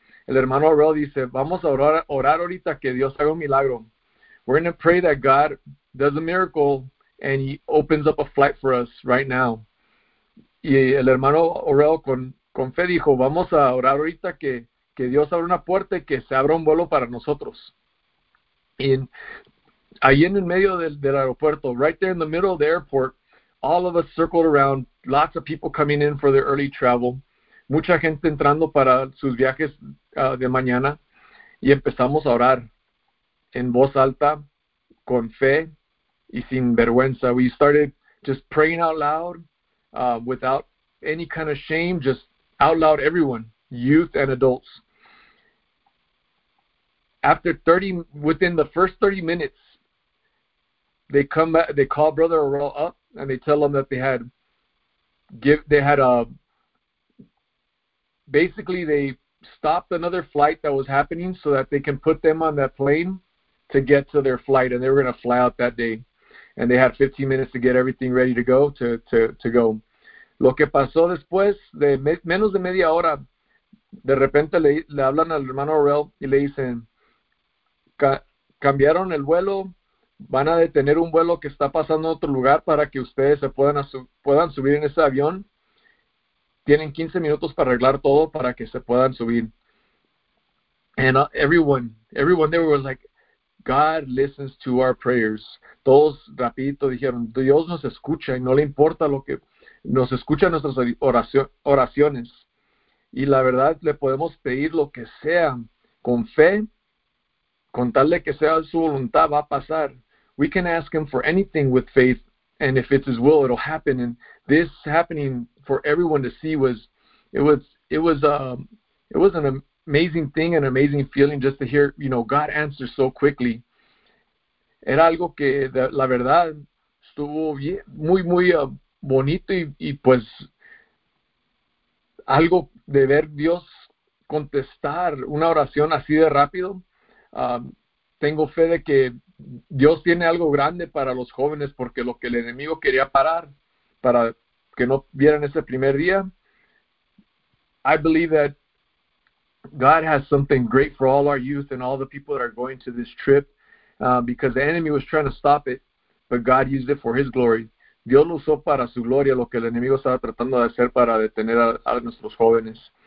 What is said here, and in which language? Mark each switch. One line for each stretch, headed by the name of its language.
Spanish: El hermano Orel dice, "Vamos a orar ahorita que Dios haga un milagro."
English: We're going to pray that God does a miracle and he opens up a flight for us right now.
Spanish: Y el hermano Orel con fe dijo, "Vamos a orar ahorita que Dios abra una puerta y que se abra un vuelo para nosotros." Ahí en el medio del aeropuerto,
English: right there in the middle of the airport, all of us circled around, lots of people coming in for their early travel,
Spanish: mucha gente entrando para sus viajes de mañana, y empezamos a orar en voz alta, con fe y sin vergüenza.
English: We started just praying out loud, without any kind of shame, just out loud, everyone, youth and adults. Within the first 30 minutes, they come back, they call Brother Orel up and they tell him that basically they stopped another flight that was happening so that they can put them on that plane to get to their flight, and they were going to fly out that day, and they had 15 minutes to get everything ready to go to go.
Spanish: Lo que pasó después de menos de media hora, de repente le hablan al hermano Orel y le dicen, "Cambiaron el vuelo. Van a detener un vuelo que está pasando a otro lugar para que ustedes se puedan subir en ese avión. Tienen 15 minutos para arreglar todo para que se puedan subir."
English: And everyone there was like, "God listens to our prayers."
Spanish: Todos rapidito dijeron, "Dios nos escucha y no le importa lo que nos escucha nuestras oraciones. Y la verdad, le podemos pedir lo que sea con fe, con tal de que sea su voluntad, va a pasar.
English: We can ask him for anything with faith, and if it's his will, it'll happen." And this happening for everyone to see was an amazing thing, an amazing feeling just to hear, God answer so quickly.
Spanish: era algo que la verdad estuvo bien, muy, muy bonito y pues algo de ver Dios contestar una oración así de rápido. Tengo fe de que Dios tiene algo grande para los jóvenes porque lo que el enemigo quería parar para que no vieran ese primer día.
English: I believe that God has something great for all our youth and all the people that are going to this trip because the enemy was trying to stop it, but God used it for his glory.
Spanish: Dios lo usó para su gloria lo que el enemigo estaba tratando de hacer para detener a nuestros jóvenes.